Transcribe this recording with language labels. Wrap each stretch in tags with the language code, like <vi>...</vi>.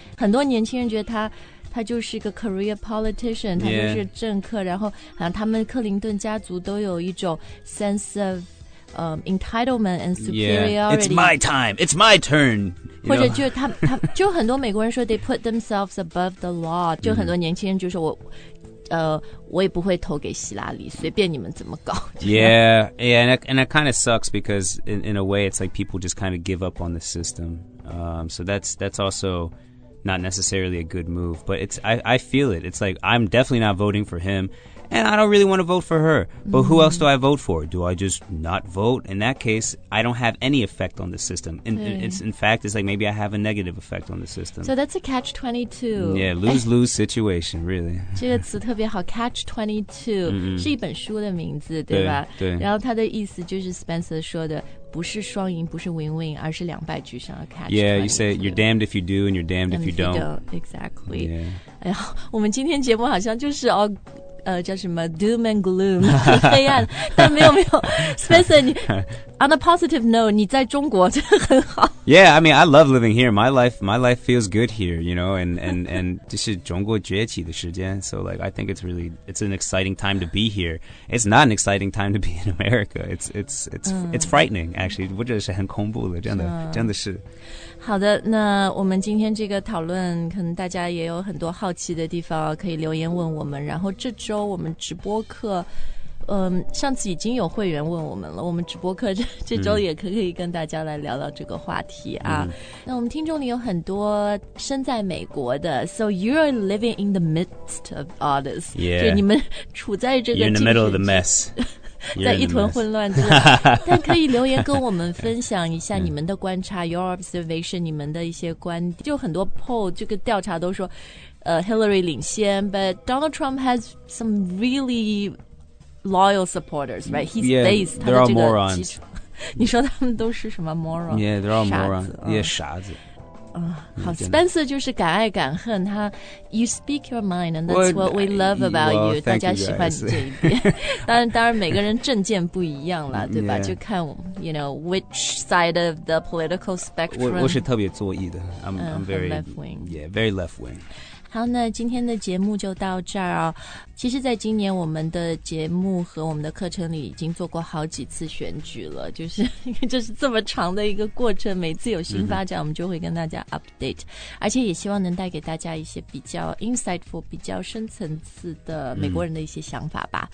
<zh>很多年轻人觉得他就是一个 career politician 他就是政客、然后好像他们克林顿家族都有一种</zh> <en>sense of entitlement and superiority、 It's my time, it's my turn</en> <zh>或者就是他就很多美国人说</zh> <en>they put themselves above the law</en> <zh>就很多年轻人就说我也不会投给希拉里随便你们怎么搞</zh> <en>yeah and that kind of sucks because in a way it's like people just kind of give up on the system so that's alsoNot necessarily a good move, but it's, I feel it. It's like, I'm definitely not voting for him, and I don't really want to vote for her. But who else do I vote for? Do I just not vote? In that case, I don't have any effect on the system. In fact, it's like maybe I have a negative effect on the system. So that's a catch-22. Yeah, lose-lose situation, really.</en> <zh>这个词特别好 catch-22 是一本书的名字，对吧？对。然后它的意思就是 Spencer 说的不是双赢，不是 win-win， 而是两败俱伤的 catch。</zh> <en>Yeah, you say you're damned if you do and you're damned if you don't. Exactly. Yeah.</en> <zh>哎呀，我们今天节目好像就是叫什么 doom and gloom， 黑暗。但没有没有 ，Spencer， 你</zh> <en>on a positive note，</en> <zh>你在中国真的很好。</zh> <en>Yeah, I mean, I love living here. My life feels good here, you know, and</en> <zh>这是中国崛起的时间</zh> <en>so like, I think it's an exciting time to be here. It's not an exciting time to be in America. It's frightening, actually.</en> <zh>或者是很恐怖的真的真的是好的那我们今天这个讨论可能大家也有很多好奇的地方可以留言问我们然后这周我们直播课上次已经有会员问我们了我们直播课 这周也可以跟大家来聊聊这个话题啊。那我们听众里有很多身在美国的</zh> <en>So you are living in the midst of all this Yeah</en> <zh>就你们处在这个</zh> <en>You're in the middle of the mess</en> <zh>在一团混乱之但可以留言跟我们分享一下你们的观察</zh> <en>Your observation</en> <zh>你们的一些观点就很多 poll 这个调查都说Hillary 领先</zh> <en>But Donald Trump has some reallyOoyal supporters, right? He's yeah, based. They're all morons.</en> <zh>你说他们都是什么 moron?</zh> <en>Yeah, they're all morons. Yeah, 傻子。</en> <zh>好 ，Spencer 就是敢爱敢恨。</zh> <en>他 ，You speak your mind, and that's what we love about well,</en> <zh>you. 大家喜欢你这一点。当然，每个人政见不一样了，对吧？</zh> <en>Yeah.</en> <zh>就看</zh> <en>you know which side of the political spectrum.</en> <zh>我是特别左翼的。</zh> <en>I'm very left wing. Yeah, very left wing.</en> <zh>好那今天的节目就到这儿哦其实在今年我们的节目和我们的课程里已经做过好几次选举了就是这是这么长的一个过程每次有新发展我们就会跟大家 update、嗯、而且也希望能带给大家一些比较 insightful 比较深层次的美国人的一些想法吧、</zh>